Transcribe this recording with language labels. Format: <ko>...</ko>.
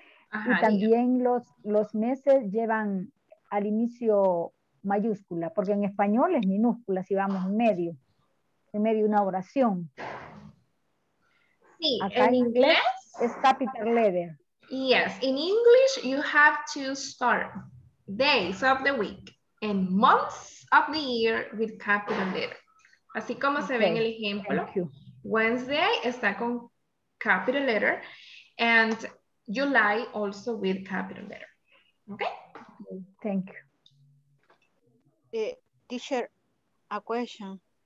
<es>Ajá, y también los meses llevan al inicio mayúscula, porque en español es minúscula si vamos en medio de una oración. Sí, acá en inglés</es> <en>es capital letter. Yes, in English you have to start days of the week and months of the year with capital letter.</en> <es>Así como okay. Se ve en el ejemplo.</es> <en>Wednesday</en> <es>está con</es> <en>capital letter and July also with capital letter. Okay? Thank you. Teacher, a question.</en>